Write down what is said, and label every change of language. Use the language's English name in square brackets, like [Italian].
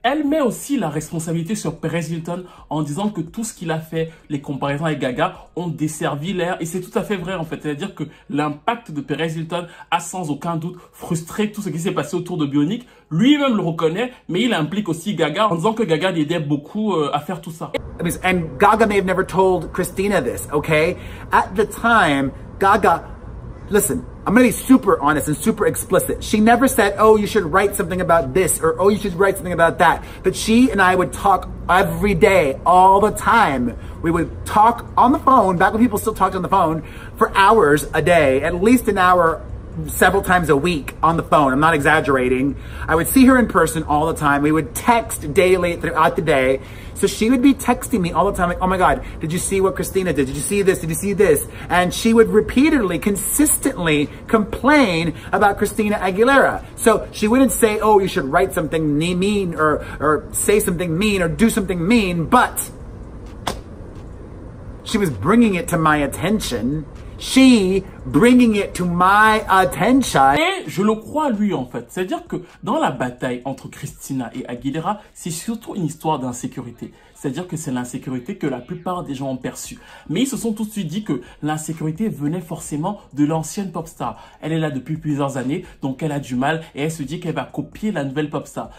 [French] Elle met aussi la responsabilité sur Perez Hilton en disant que tout ce qu'il a fait, les comparaisons avec Gaga, ont desservi l'air, et c'est tout à fait vrai en fait. C'est-à-dire que l'impact de Perez Hilton a sans aucun doute frustré tout ce qui s'est passé autour de Bionic. Lui-même le reconnaît, mais il implique aussi Gaga en disant que Gaga l'aidait beaucoup à faire tout ça. [English] And Gaga may have never told Christina this, okay? At the time, Gaga, listen, I'm gonna be super honest and super explicit. She never said, oh, you should write something about this, or oh, you should write something about that. But she and I would talk every day, all the time. We would talk on the phone, back when people still talked on the phone, for hours a day, at least an hour, several times a week on the phone. I'm not exaggerating. I would see her in person all the time. We would text daily throughout the day. So she would be texting me all the time, like, oh my God, did you see what Christina did? Did you see this? Did you see this? And she would repeatedly, consistently complain about Christina Aguilera. So she wouldn't say, oh, you should write something mean or say something mean or do something mean, but she was bringing it to my attention. She bringing it to my attention. [French] Et je le crois lui en fait. C'est-à-dire que dans la bataille entre Christina et Aguilera, c'est surtout une histoire d'insécurité. c'est-à-dire que c'est l'insécurité que la plupart des gens ont perçue. Mais ils se sont tout de suite dit que l'insécurité venait forcément de l'ancienne pop star. Elle est là depuis plusieurs années, donc elle a du mal et elle se dit qu'elle va copier la nouvelle pop star.